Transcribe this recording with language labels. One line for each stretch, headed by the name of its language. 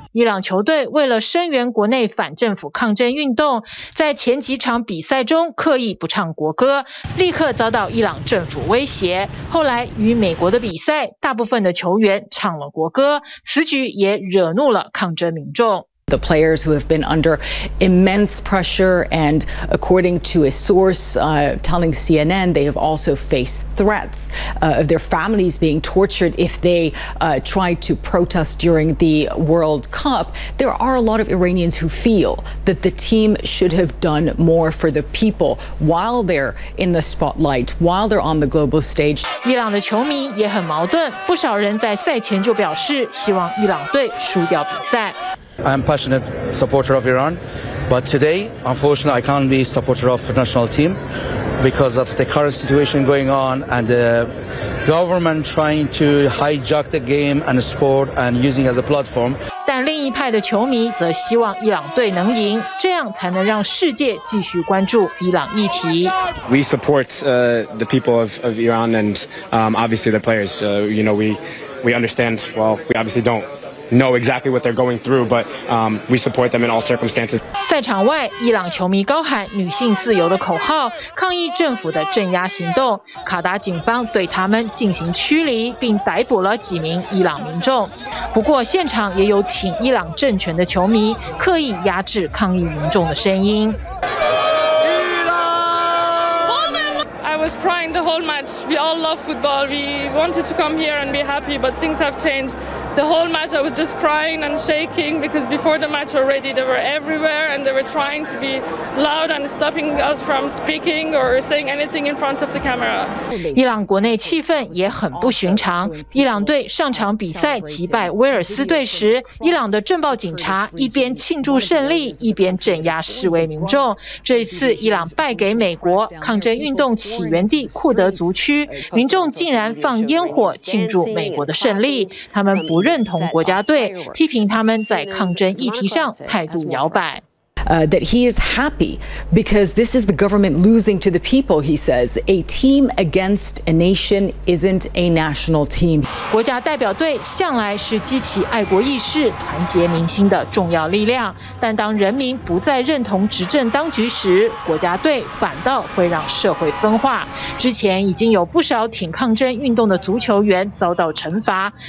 Chinese: 伊朗球队为了声援国内反政府抗争运动，在前几场比赛中刻意不唱国歌，立刻遭到伊朗政府威胁。后来与美国的比赛，大部分的球员唱了国歌，此举也惹怒了抗争民众。
English: The players who have been under immense pressure, and according to a source telling CNN, they have also faced threats of their families being tortured if they try to protest during the World Cup. There are a lot of Iranians who feel that the team should have done more for the people while they're in the spotlight, while they're on the global stage.
Chinese: 伊朗的球迷也很矛盾，不少人在赛前就表示希望伊朗队输掉比赛。
English: I am passionate supporter of Iran, but today, unfortunately, I can't be supporter of the national team because of the current situation going on and the government trying to hijack the game and the sport and using it as a platform.
Chinese: 但另一派的球迷则希望伊朗队能赢，这样才能让世界继续关注伊朗议题。
English: We support the people of Iran and obviously the players. You know, we understand. Well, we obviously don't. Know exactly what they're going through, but we support them in all circumstances.
Chinese: 赛场外，伊朗球迷高喊“女性自由”的口号，抗议政府的镇压行动。卡达警方对他们进行驱离，并逮捕了几名伊朗民众。不过，现场也有挺伊朗政权的球迷刻意压制抗议民众的声音。
English: was crying the whole match. We all love football. We wanted to come here and be happy, but things have changed. The whole match, I was just crying and shaking because before the match already, they were everywhere and they were trying to be loud and stopping us from speaking or saying anything in front of the camera.
Chinese: 伊朗国内气氛也很不寻常。伊朗队上场比赛击败威尔斯队时，伊朗的政报警察一边庆祝胜利，一边镇压示威民众。这一次伊朗败给美国，抗争运动起源地库德族区，民众竟然放烟火庆祝美国的胜利，他们不认同国家队，批评他们在抗争议题上态度摇摆。
English: That he is happy because this is the government losing to the people, he says. A team against a nation isn't a national team.
Chinese: 国家代表队向来是激起爱国意识、团结民心的重要力量。但当人民不再认同执政当局时，国家队反倒会让社会分化。之前已经有不少挺抗争运动的足球员遭到惩罚。